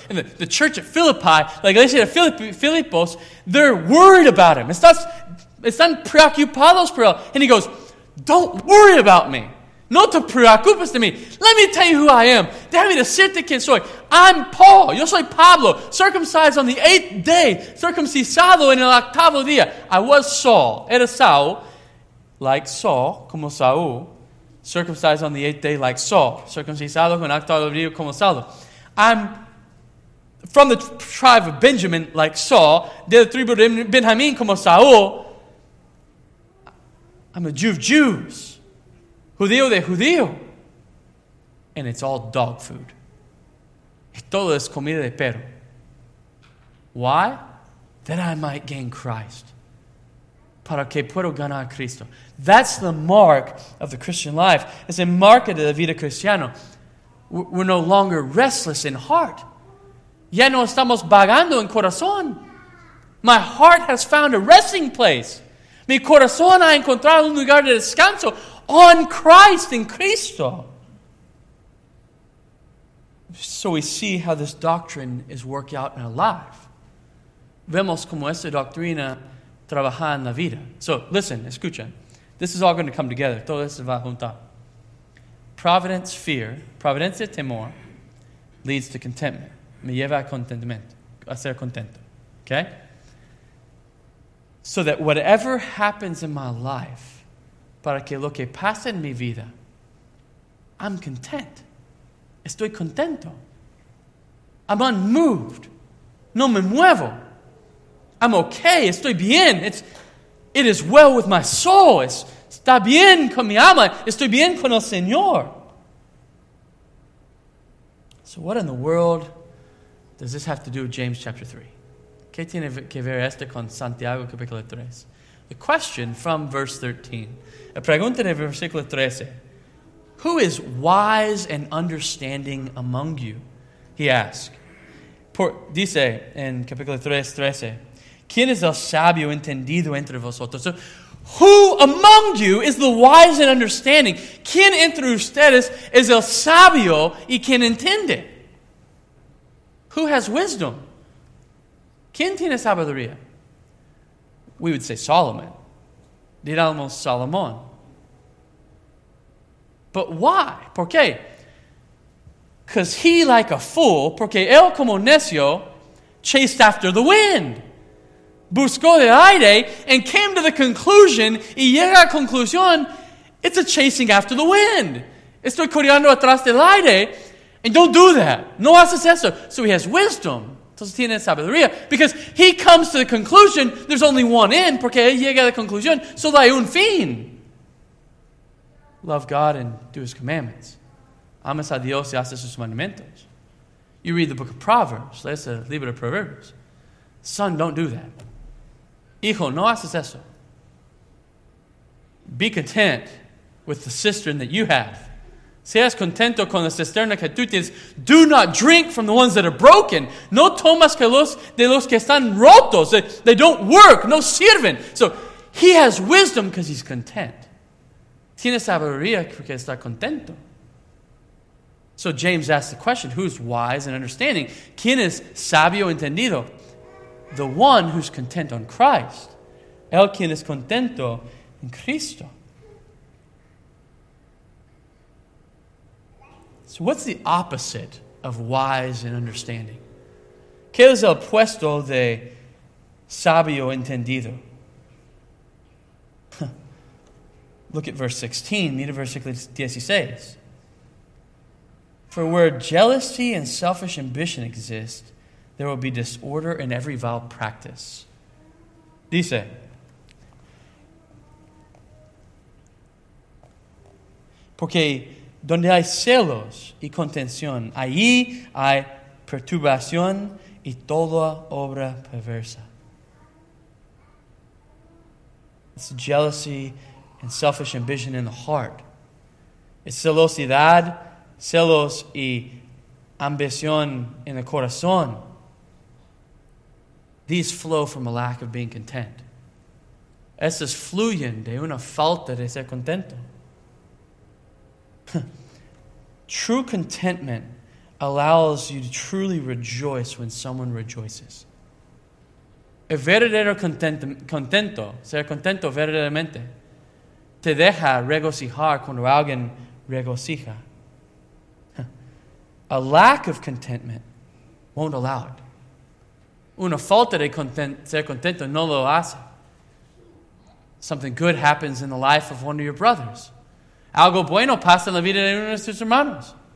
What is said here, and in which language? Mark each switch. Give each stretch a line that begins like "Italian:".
English: And the church at Philippi,
Spanish: la iglesia de Filipos,
English: they're worried about him.
Spanish: Están preocupados por él.
English: And he goes, don't worry about me.
Spanish: No te preocupes de mí.
English: Let me tell you who I am.
Spanish: Déjame decirte quién soy.
English: I'm Paul.
Spanish: Yo soy Pablo.
English: Circumcised on the eighth day.
Spanish: Circumcisado en el octavo día.
English: I was Saul.
Spanish: Era Saul.
English: Like Saul,
Spanish: como Saul.
English: Circumcised on the eighth day like Saul.
Spanish: Circumcisado con octavo día como Saul.
English: I'm from the tribe of Benjamin like Saul.
Spanish: De la tribu de Benjamín como Saul.
English: I'm a Jew of Jews.
Spanish: Judío de judío.
English: And it's all dog food.
Spanish: Y todo es comida de perro.
English: Why? That I might gain Christ.
Spanish: Para que puedo ganar a Cristo.
English: That's the mark of the Christian life. It's a mark of the
Spanish: vida cristiana.
English: We're no longer restless in heart.
Spanish: Ya no estamos vagando en corazón.
English: My heart has found a resting place.
Spanish: Mi corazón ha encontrado un lugar de descanso
English: on Christ,
Spanish: in Cristo.
English: So we see how this doctrine is working out in our life.
Spanish: Vemos como esta doctrina trabaja en la vida.
English: So listen,
Spanish: escucha.
English: This is all going to come together.
Spanish: Todo esto va junto.
English: Providence fear,
Spanish: providencia temor, leads to contentment. Me lleva a contentamiento, a ser contento.
English: Okay? So that whatever happens in my life,
Spanish: para que lo que pasa en mi vida,
English: I'm content.
Spanish: Estoy contento.
English: I'm unmoved.
Spanish: No me muevo.
English: I'm okay.
Spanish: Estoy bien.
English: It is well with my soul.
Spanish: Está bien con mi alma. Estoy bien con el Señor.
English: So what in the world does this have to do with James chapter 3?
Spanish: ¿Qué tiene que ver esto con Santiago capítulo 3?
English: The question from verse 13.
Spanish: La pregunta de versículo 13.
English: Who is wise and understanding among you? He asked.
Spanish: Dice en capítulo 13. ¿Quién es el sabio entendido entre vosotros?
English: So, who among you is the wise and understanding?
Spanish: ¿Quién entre ustedes es el sabio y quien entiende?
English: Who has wisdom?
Spanish: ¿Quién tiene sabiduría?
English: We would say Solomon.
Spanish: Diríamos Salomón.
English: But why?
Spanish: ¿Por qué?
English: Because he, like a fool,
Spanish: porque él como necio,
English: chased after the wind.
Spanish: Buscó el aire
English: and came to the conclusion,
Spanish: y llega a la conclusión,
English: it's a chasing after the wind.
Spanish: Estoy corriendo atrás del aire,
English: and don't do that.
Spanish: No haces eso.
English: So he has wisdom to
Spanish: Entonces tiene sabiduría.
English: Because he comes to the conclusion, there's only one end,
Spanish: porque él llega a la conclusión, solo hay un fin.
English: Love God and do his commandments.
Spanish: Amas a Dios y haces sus mandamientos.
English: You read the book of Proverbs.
Spanish: Lees el libro de Proverbios.
English: Son, don't do that.
Spanish: Hijo, no haces eso.
English: Be content with the cistern that you have.
Spanish: Seas contento con la cisterna que tú tienes.
English: Do not drink from the ones that are broken.
Spanish: No tomas que los de los que están rotos.
English: They don't work.
Spanish: No sirven.
English: So he has wisdom because he's content.
Spanish: Tiene sabiduría porque está contento.
English: So James asks the question, who's wise and understanding?
Spanish: ¿Quién es sabio entendido?
English: The one who's content on Christ.
Spanish: El quien es contento en Cristo.
English: So what's the opposite of wise and understanding?
Spanish: ¿Qué es el opuesto de sabio entendido?
English: Look at verse 16.
Spanish: Mira versículo 16.
English: For where jealousy and selfish ambition exist, there will be disorder in every vile practice.
Spanish: Dice, porque donde hay celos y contención, allí hay perturbación y toda obra perversa.
English: It's jealousy and selfish ambition in the heart.
Spanish: It's celosidad, celos y ambición en el corazón.
English: These flow from a lack of being content.
Spanish: Estas fluyen de una falta de ser contento.
English: True contentment allows you to truly rejoice when someone rejoices.
Spanish: El verdadero contento, ser contento verdaderamente, te deja regocijar cuando alguien regocija.
English: A lack of contentment won't allow it.
Spanish: Una falta de ser contento no lo hace.
English: Something good happens in the life of one of your brothers.
Spanish: Algo bueno pasa en la vida de uno de tus hermanos.